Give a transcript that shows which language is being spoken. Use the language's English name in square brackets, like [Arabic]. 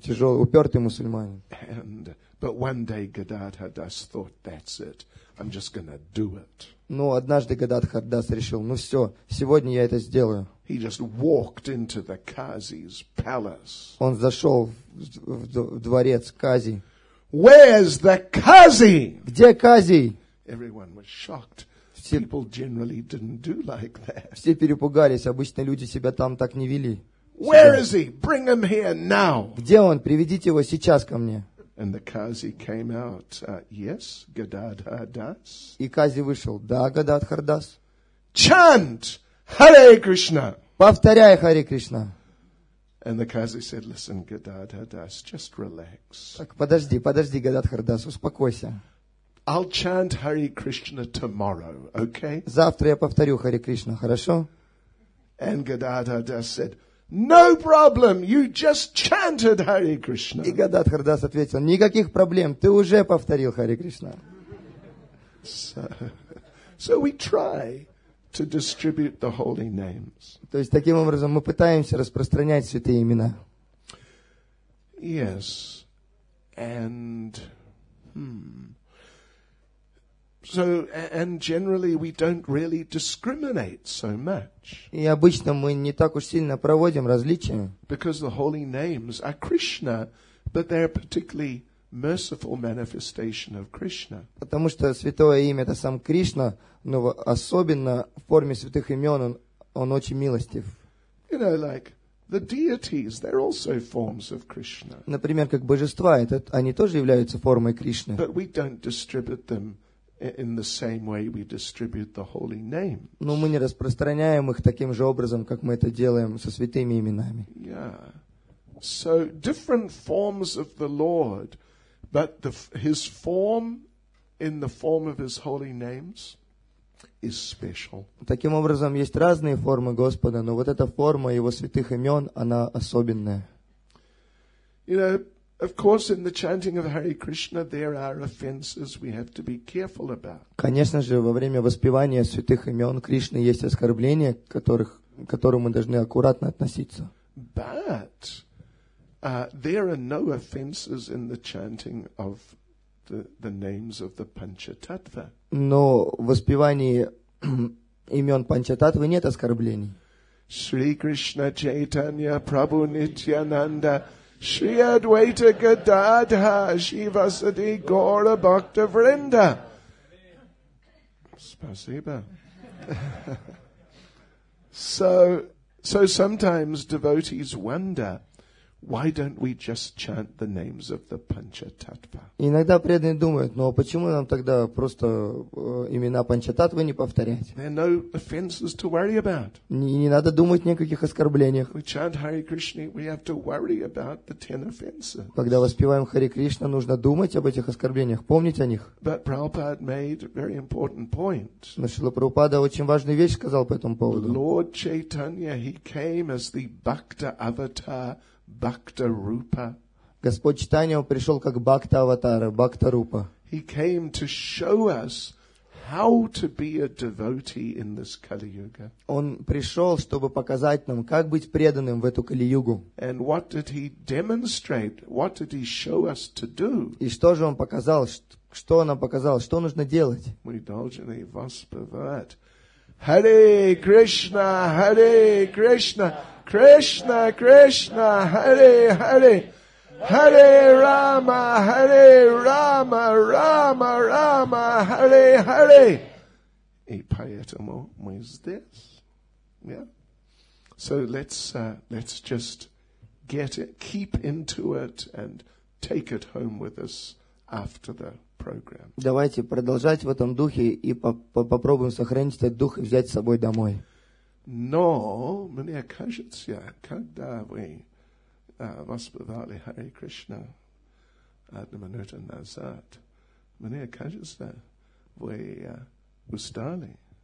[English] And, but one day Gadadhar Das thought, that's it. I'm just going to do it. [Russian] Но однажды Гададхар Дас решил, ну все, сегодня я это сделаю. [English] He just walked into the Qazi's palace. [Russian] Он зашел в дворец Кази. [English] Where's the Qazi? [Russian] Где Кази? [English] Everyone was shocked. People generally didn't do like that. [Russian] Все перепугались, обычно люди себя там так не вели. [English] Where is he? Bring him here now. [Russian] Где он? Приведите его сейчас ко мне. [English] And the Qazi came out, yes, Gadadhar Das. [Russian] И Кази вышел, да, Гададхар Дас. [English] Chant Hare Krishna. [Russian] Повторяй Hare Krishna. [English] And the Kazi said, "Listen, Gadadhardas, just relax." [Russian] Так, подожди, подожди, Гададхардас, успокойся. [English] I'll chant Hare Krishna tomorrow, okay? [Russian] Завтра я повторю Хари Кришна, хорошо? [English] And Gadadhardas said, "No problem. You just chanted Hare Krishna." [Russian] И Гададхардас ответил: "Никаких проблем. Ты уже повторил Хари Кришна." [English] So we try to distribute the holy names. [Russian] То есть таким образом мы пытаемся распространять святые имена. [English] Yes. And So and generally we don't really discriminate so much. [Russian] И обычно мы не так уж сильно проводим различия. [English] Because the holy names are Krishna, but they're particularly merciful manifestation of Krishna. [Russian] Потому что святое имя это сам Кришна, но особенно в форме святых имен он очень милостив. [English] You know, like the deities, they're also forms of Krishna. [Russian] Например, как божества, это они тоже являются формой Кришны. [English] But we don't distribute them in the same way we distribute the holy name. [Russian] Но мы не распространяем их таким же образом, как мы это делаем со святыми именами. [English] Yeah. So different forms of the Lord, but his form in the form of his holy names is special. [Russian] Таким образом, есть разные формы Господа, но вот эта форма его святых имен, она особенная. [English] You know, of course, in the chanting of Hare Krishna, there are offenses we have to be careful about. [Russian] Конечно же, во время воспевания святых имен Кришны есть оскорбления, к которым мы должны аккуратно относиться. [English] But there are no offenses in the chanting of the names of the Panchatattva. [Russian] Но в воспевании имен Панчататвы нет оскорблений. Шри Кришна Чайтанья Прабху Нитьянанда Шри Адвайта Гададха Шивасади Гора Бхакта Вринда. Спасибо. [English] So sometimes devotees wonder, why don't we just chant the names of the Panchatattva? [Russian] Иногда преданные думают, но почему нам тогда просто имена Панчататвы не повторять? [English] There are no offenses to worry about. [Russian] Не надо думать ни о каких оскорблениях. [English] We chant Hare Krishna, we have to worry about the 10 offenses. [Russian] Когда воспеваем Хари Кришна, нужно думать об этих оскорблениях, помнить о них. [English] But Prabhupada made a very important point. [Russian] Но Шрила Прабхупада очень важную вещь сказал по этому поводу. [English] Lord Chaitanya, he came as the Bhakta avatar. Bhakta Rupa. [Russian] Господь Чайтанья пришел как Бхакта Аватара, Бхакта Рупа. [English] He came to show us how to be a devotee in this Kali Yuga. [Russian] Он пришел, чтобы показать нам, как быть преданным в эту Кали Югу. [English] And what did he demonstrate? What did he show us to do? [Russian] И что же он показал? Что он нам показал? Что нужно делать? Мы должны воспевать. Hare Krishna, Hare Krishna, Krishna, Krishna, Hare, Hare, Hare Rama, Hare Rama, Rama, Rama, Hare, Hare. И поэтому мы здесь. [English] Yeah. So let's just get it, keep into it and take it home with us after the program. [Russian] Давайте продолжать в этом духе и попробуем сохранить этот дух и взять с собой домой. Но мне кажется, когда вы воспевали Хари Кришна одну минуту назад, мне кажется, вы устали.